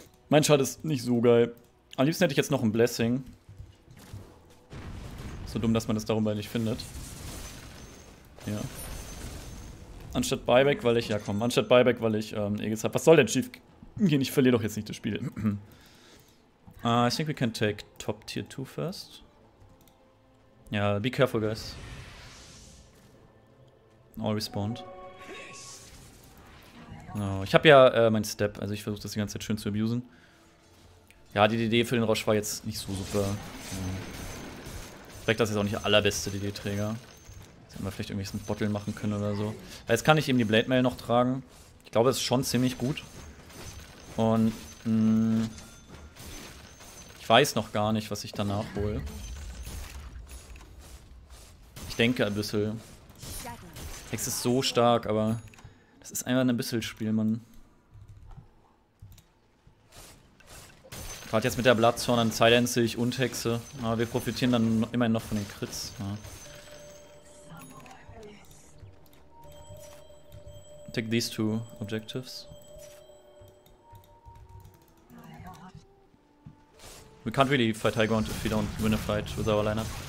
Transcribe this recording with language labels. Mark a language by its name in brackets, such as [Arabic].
[German] Mein Shard ist nicht so geil. Am liebsten hätte ich jetzt noch ein Blessing. So dumm, dass man das darum bei nicht findet. Ja. Anstatt Buyback, weil ich. Ja, komm. Anstatt Buyback, weil ich Aegis hab. Was soll denn schief gehen? Ich verliere doch jetzt nicht das Spiel. [English] I think we can take top tier 2 first. Ja, yeah, be careful, guys. All respawned. [German] No, ich habe ja mein Step, also ich versuche das die ganze Zeit schön zu abusen. Ja, die DD für den Rosh war jetzt nicht so super. Vielleicht das jetzt auch nicht der allerbeste DD-Träger. Hätten wir vielleicht irgendwie so ein Bottle machen können oder so. Aber jetzt kann ich eben die Blade Mail noch tragen. Ich glaube, es ist schon ziemlich gut. Und. Ich weiß noch gar nicht, was ich danach hole. Ich denke ein bisschen. Hex ist so stark, aber das ist einfach ein bisschen Spiel, Mann. Gerade jetzt mit der Bloodthorn, dann silence ich und Hexe. Aber wir profitieren dann immerhin noch von den Crits. Ja. [English] Take these two objectives. We can't really fight high ground if we don't win a fight with our lineup.